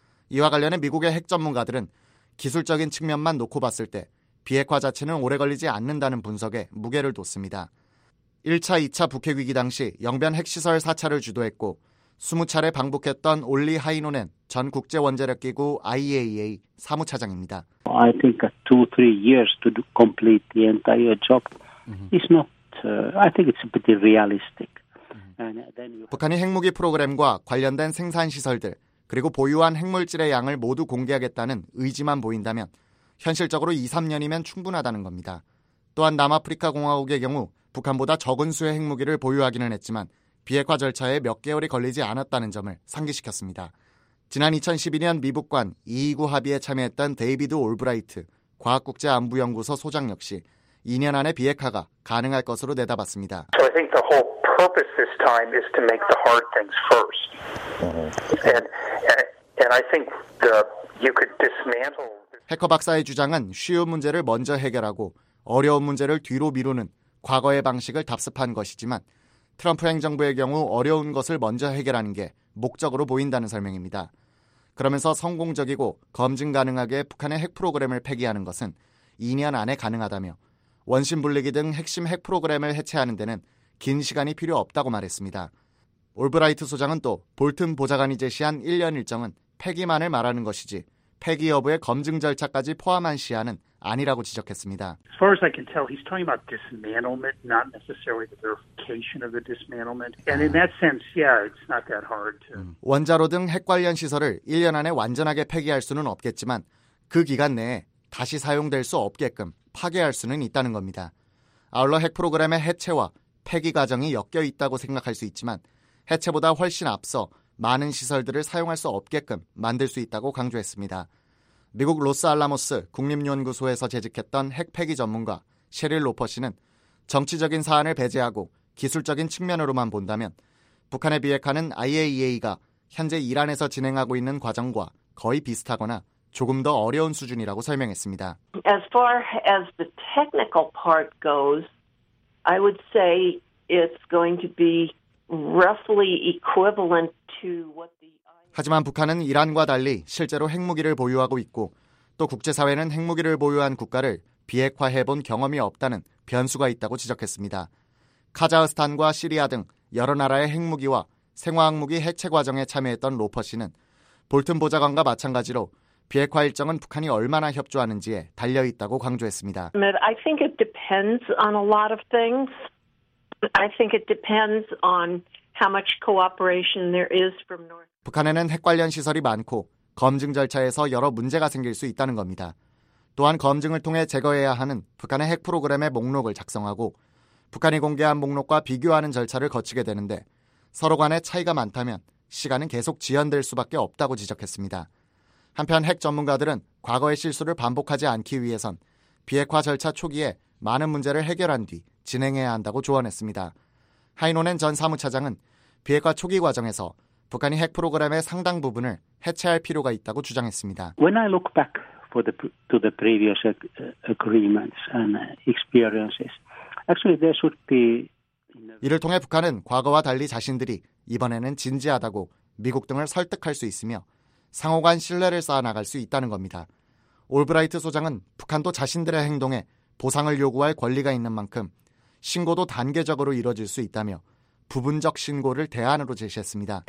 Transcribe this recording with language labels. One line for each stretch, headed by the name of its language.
Korean: 이와 관련해 미국의 핵 전문가들은 기술적인 측면만 놓고 봤을 때 비핵화 자체는 오래 걸리지 않는다는 분석에 무게를 뒀습니다. 1차, 2차 북핵 위기 당시 영변 핵시설 4차를 주도했고 20차례 방북했던 올리 하이노넨 전 국제원자력기구 IAEA 사무차장입니다.
English: I think 2-3 years to complete the entire job is not, I think it's a bit realistic.
Korean: 북한이 핵무기 프로그램과 관련된 생산시설들 그리고 보유한 핵물질의 양을 모두 공개하겠다는 의지만 보인다면 현실적으로 2-3년이면 충분하다는 겁니다. 또한 남아프리카공화국의 경우 북한보다 적은 수의 핵무기를 보유하기는 했지만 비핵화 절차에 몇 개월이 걸리지 않았다는 점을 상기시켰습니다. 지난 2012년 미북 간 2.29 합의에 참여했던 데이비드 올브라이트 과학국제안보연구소 소장 역시 2년 안에 비핵화가 가능할 것으로 내다봤습니다.
English: So I think the whole purpose this time is to make the hard things first. And I think the you could dismantle
Korean: 해커 박사의 주장은 쉬운 문제를 먼저 해결하고 어려운 문제를 뒤로 미루는 과거의 방식을 답습한 것이지만 트럼프 행정부의 경우 어려운 것을 먼저 해결하는 게 목적으로 보인다는 설명입니다. 그러면서 성공적이고 검증 가능하게 북한의 핵 프로그램을 폐기하는 것은 2년 안에 가능하다며 원심 분리기 등 핵심 핵 프로그램을 해체하는 데는 긴 시간이 필요 없다고 말했습니다. 올브라이트 소장은 또 볼튼 보좌관이 제시한 1년 일정은 폐기만을 말하는 것이지 폐기 여부의 검증 절차까지 포함한 시한은 아니라고 지적했습니다.
English: As far as I can tell, he's talking about dismantlement, not necessarily the verification of the dismantlement. And in that sense, yeah, it's not that hard to
Korean: 원자로 등 핵 관련 시설을 1년 안에 완전하게 폐기할 수는 없겠지만 그 기간 내에 다시 사용될 수 없게끔 파괴할 수는 있다는 겁니다. 아울러 핵 프로그램의 해체와 폐기 과정이 엮여 있다고 생각할 수 있지만 해체보다 훨씬 앞서 많은 시설들을 사용할 수 없게끔 만들 수 있다고 강조했습니다. 미국 로스알라모스 국립연구소에서 재직했던 핵 폐기 전문가 셰릴 로퍼 씨는 정치적인 사안을 배제하고 기술적인 측면으로만 본다면 북한의 비핵화는 IAEA가 현재 이란에서 진행하고 있는 과정과 거의 비슷하거나 조금 더 어려운 수준이라고 설명했습니다.
English: As far as the technical part goes, I would say it's going to be roughly equivalent to what the
Korean: 하지만 북한은 이란과 달리 실제로 핵무기를 보유하고 있고 또 국제사회는 핵무기를 보유한 국가를 비핵화해본 경험이 없다는 변수가 있다고 지적했습니다. 카자흐스탄과 시리아 등 여러 나라의 핵무기와 생화학무기 해체 과정에 참여했던 로퍼 씨는 볼튼 보좌관과 마찬가지로 비핵화 일정은 북한이 얼마나 협조하는지에 달려있다고 강조했습니다.
English: I think it depends on a lot of things. I think it depends on how much cooperation there is from North.
Korean: 북한에는 핵 관련 시설이 많고 검증 절차에서 여러 문제가 생길 수 있다는 겁니다. 또한 검증을 통해 제거해야 하는 북한의 핵 프로그램의 목록을 작성하고 북한이 공개한 목록과 비교하는 절차를 거치게 되는데 서로 간에 차이가 많다면 시간은 계속 지연될 수밖에 없다고 지적했습니다. 한편 핵 전문가들은 과거의 실수를 반복하지 않기 위해선 비핵화 절차 초기에 많은 문제를 해결한 뒤 진행해야 한다고 조언했습니다. 하이노넨 전 사무차장은 비핵화 초기 과정에서 북한이 핵 프로그램의 상당 부분을 해체할 필요가 있다고 주장했습니다.
English: When I look back for the to the previous agreements and experiences, actually there should be.
Korean: 이를 통해 북한은 과거와 달리 자신들이 이번에는 진지하다고 미국 등을 설득할 수 있으며 상호간 신뢰를 쌓아 나갈 수 있다는 겁니다. 올브라이트 소장은 북한도 자신들의 행동에 보상을 요구할 권리가 있는 만큼 신고도 단계적으로 이루어질 수 있다며 부분적 신고를 대안으로 제시했습니다.